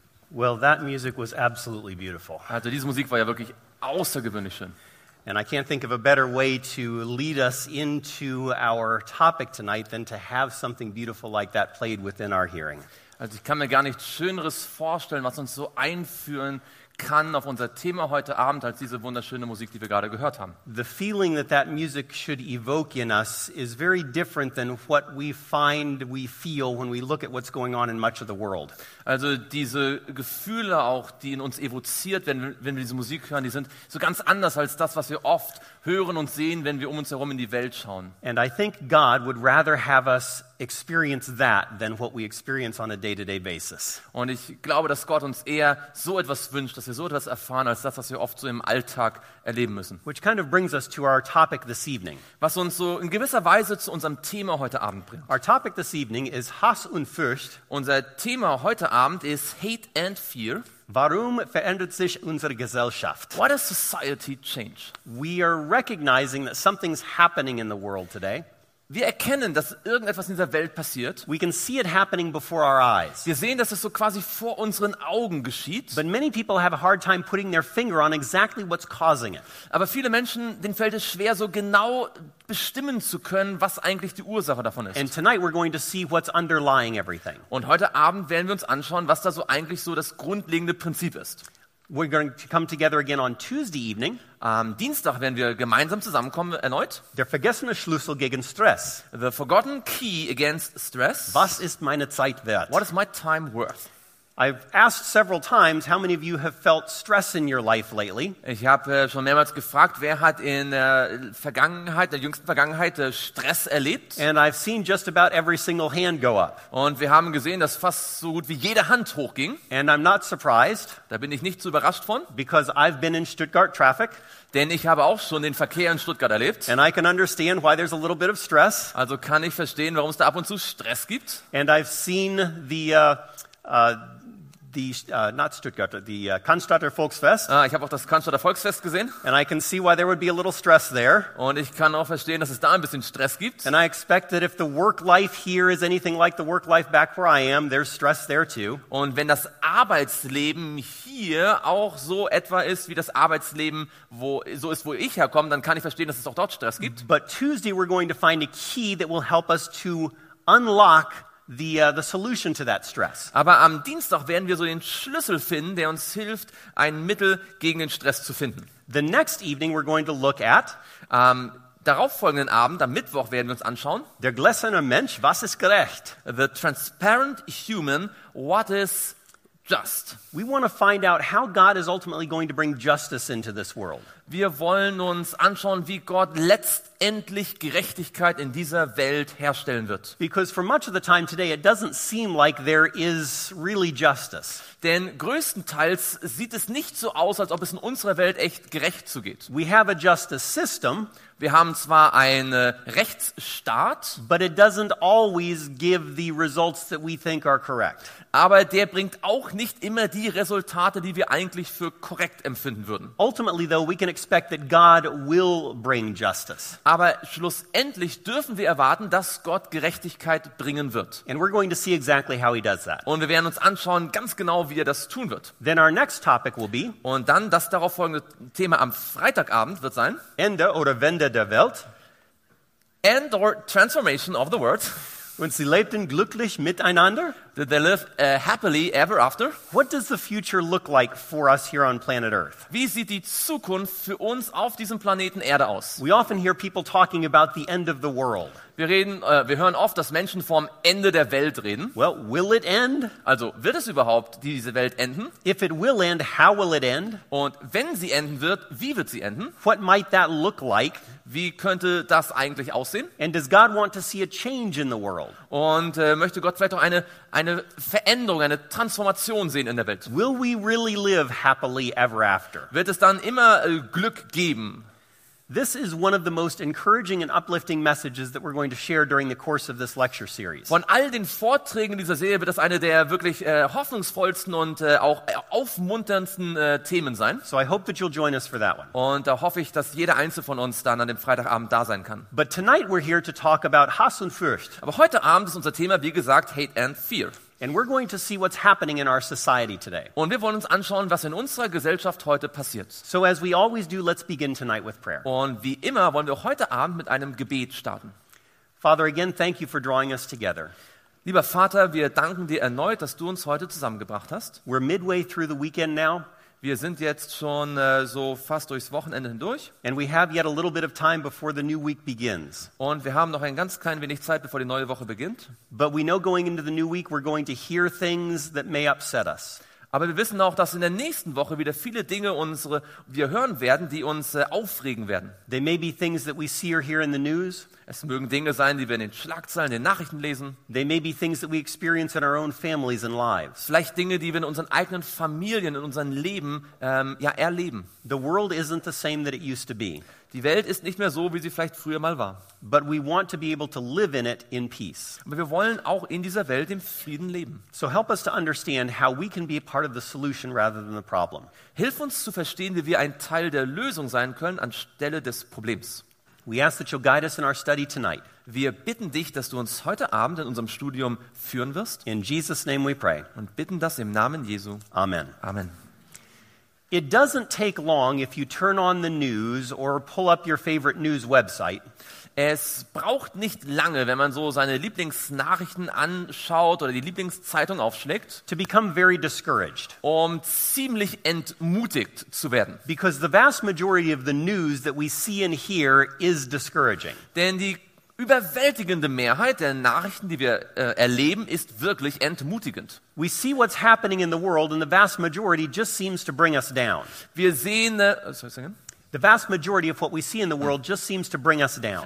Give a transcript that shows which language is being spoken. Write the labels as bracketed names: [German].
[English] Well, that music was absolutely beautiful. [German] Also, diese Musik war ja wirklich außergewöhnlich schön. [English] And I can't think of a better way to lead us into our topic tonight than to have something beautiful like that played within our hearing. [German] Also, ich kann mir gar nichts Schöneres vorstellen, was uns so einführen kann auf unser Thema heute Abend als diese wunderschöne Musik, die wir gerade gehört haben. [English] The feeling that that music should evoke in us is very different than what we find we feel when we look at what's going on in much of the world. [German] Also diese Gefühle auch, die in uns evoziert werden, wenn wir diese Musik hören, die sind so ganz anders als das, was wir oft hören und sehen, wenn wir um uns herum in die Welt schauen. [English] And I think God would rather have us experience that than what we experience on a day-to-day basis. [German] Und ich glaube, dass Gott uns eher so etwas wünscht, dass wir so etwas erfahren, als das, was wir oft so im Alltag erleben müssen. [English] Which kind of brings us to our topic this evening. [German] Was uns so in gewisser Weise zu unserem Thema heute Abend bringt. [English] Our topic this evening is [German] Hass und Furcht. Unser Thema heute Abend ist [English] Hate and Fear. [German] Warum verändert sich unsere Gesellschaft? [English] Why does society change? We are recognizing that something's happening in the world today. [German] Wir erkennen, dass irgendetwas in dieser Welt passiert. [English] We can see it happening before our eyes. [German] Wir sehen, dass es so quasi vor unseren Augen geschieht. [English] But many people have a hard time putting their finger on exactly what's causing it. [German] Aber viele Menschen, denen fällt es schwer, so genau bestimmen zu können, was eigentlich die Ursache davon ist. [English] And tonight we're going to see what's underlying everything. [German] Und heute Abend werden wir uns anschauen, was da so eigentlich so das grundlegende Prinzip ist. [English] We're going to come together again on Tuesday evening. [German] Am Dienstag werden wir gemeinsam zusammenkommen erneut. Der vergessene Schlüssel gegen Stress. [English] The forgotten key against stress. [German] Was ist meine Zeit wert? [English] What is my time worth? I've asked several times how many of you have felt stress in your life lately. [German] Ich habe schon mehrmals gefragt, wer hat in der jüngsten Vergangenheit Stress erlebt? [English] And I've seen just about every single hand go up. [German] Und wir haben gesehen, dass fast so gut wie jede Hand hochging. [English] And I'm not surprised. [German] Da bin ich nicht so überrascht von. [English] Because I've been in Stuttgart traffic. [German] Denn ich habe auch schon den Verkehr in Stuttgart erlebt. [English] And I can understand why there's a little bit of stress. [German] Also kann ich verstehen, warum es da ab und zu Stress gibt. [English] And I've seen Cannstatter Volksfest. [German] Ah, ich habe auch das Cannstatter Volksfest gesehen. [English] And I can see why there would be a little stress there. [German] Und ich kann auch verstehen, dass es da ein bisschen Stress gibt. [English] And I expect that if the work life here is anything like the work life back where I am, there's stress there too. [German] Und wenn das Arbeitsleben hier auch so etwa ist wie das Arbeitsleben wo ich herkomme, dann kann ich verstehen, dass es auch dort Stress gibt. [English] But Tuesday we're going to find a key that will help us to unlock the solution to that stress. [German] Aber am Dienstag werden wir so den Schlüssel finden, der uns hilft, ein Mittel gegen den Stress zu finden. [English] The next evening we're going to look at [German] darauf folgenden Abend, am Mittwoch, werden wir uns anschauen. Der gläserne Mensch, was ist gerecht? [English] The transparent human, what is just? We want to find out how God is ultimately going to bring justice into this world. [German] Wir wollen uns anschauen, wie Gott letztendlich Gerechtigkeit in dieser Welt herstellen wird. [English] Because for much of the time today, it doesn't seem like there is really justice. [German] Denn größtenteils sieht es nicht so aus, als ob es in unserer Welt echt gerecht zugeht. [English] We have a justice system. [German] Wir haben zwar einen Rechtsstaat, [English] but it doesn't always give the results that we think are correct. [German] Aber der bringt auch nicht immer die Resultate, die wir eigentlich für korrekt empfinden würden. [English] Ultimately though, we can expect that God will bring justice. [German] Aber schlussendlich dürfen wir erwarten, dass Gott Gerechtigkeit bringen wird. [English] And we're going to see exactly how he does that. [German] Und wir werden uns anschauen, ganz genau, wie er das tun wird. [English] Then our next topic will be, [German] und dann das darauf folgende Thema am Freitagabend wird sein, Ende oder Wende der Welt, [English] End or Transformation of the World. [German] Und sie lebten glücklich miteinander. [English] Did they live happily ever after? What does the future look like for us here on planet Earth? [German] Wie sieht die Zukunft für uns auf diesem Planeten Erde aus? [English] We often hear people talking about the end of the world. [German] Wir hören oft, dass Menschen vom Ende der Welt reden. [English] Well, will it end? [German] Also, wird es überhaupt diese Welt enden? [English] If it will end, how will it end? [German] Und wenn sie enden wird, wie wird sie enden? [English] What might that look like? [German] Wie könnte das eigentlich aussehen? [English] And does God want to see a change in the world? [German] Und möchte Gott vielleicht auch eine Veränderung, eine Transformation sehen in der Welt? [English] Will we really live happily ever after? [German] Wird es dann immer Glück geben? [English] This is one of the most encouraging and uplifting messages that we're going to share during the course of this lecture series. [German] Von all den Vorträgen dieser Serie wird das eine der wirklich hoffnungsvollsten und auch aufmunterndsten Themen sein. [English] So I hope that you'll join us for that one. [German] Und da hoffe ich, dass jeder Einzelne von uns dann an dem Freitagabend da sein kann. [English] But tonight we're here to talk about [German] Hass und Furcht. Aber heute Abend ist unser Thema, wie gesagt, [English] Hate and Fear. And we're going to see what's happening in our society today. [German] Und wir wollen uns anschauen, was in unserer Gesellschaft heute passiert. [English] So as we always do, let's begin tonight with prayer. [German] Und wie immer wollen wir heute Abend mit einem Gebet starten. [English] Father, again, thank you for drawing us together. [German] Lieber Vater, wir danken dir erneut, dass du uns heute zusammengebracht hast. [English] We're midway through the weekend now. [German] Wir sind jetzt schon so fast durchs Wochenende hindurch. [English] And we have yet a little bit of time before the new week begins. [German] Und wir haben noch ein ganz klein wenig Zeit, bevor die neue Woche beginnt. [English] But we know going into the new week we're going to hear things that may upset us. [German] Aber wir wissen auch, dass in der nächsten Woche wieder viele Dinge wir hören werden, die uns aufregen werden. [English] They may be things that we see or hear in the news. [German] Es mögen Dinge sein, die wir in den Schlagzeilen, in den Nachrichten lesen. [English] They may be things that we experience in our own families and lives. [German] Vielleicht Dinge, die wir in unseren eigenen Familien, in unserem Leben erleben. [English] The world isn't the same that it used to be. [German] Die Welt ist nicht mehr so, wie sie vielleicht früher mal war. [English] But we want to be able to live in it in peace. [German] Aber wir wollen auch in dieser Welt im Frieden leben. [English] So help us to understand how we can be a part of the solution rather than the problem. [German] Hilf uns zu verstehen, wie wir ein Teil der Lösung sein können anstelle des Problems. [English] We ask that you'll guide us in our study tonight. [German] Wir bitten dich, dass du uns heute Abend in unserem Studium führen wirst. [English] In Jesus' name we pray. [German] Und bitten das im Namen Jesu. [English] Amen. [German] Amen. [English] It doesn't take long if you turn on the news or pull up your favorite news website. [German] Es braucht nicht lange, wenn man so seine Lieblingsnachrichten anschaut oder die Lieblingszeitung aufschlägt, [English] to become very discouraged. [German] Um ziemlich entmutigt zu werden. [English] Because the vast majority of the news that we see and hear is discouraging. [German] Denn die überwältigende Mehrheit der Nachrichten, die wir erleben, ist wirklich entmutigend. [English] We see what's happening in the world and the vast majority just seems to bring us down. [German] Wir sehen [English] The vast majority of what we see in the world just seems to bring us down.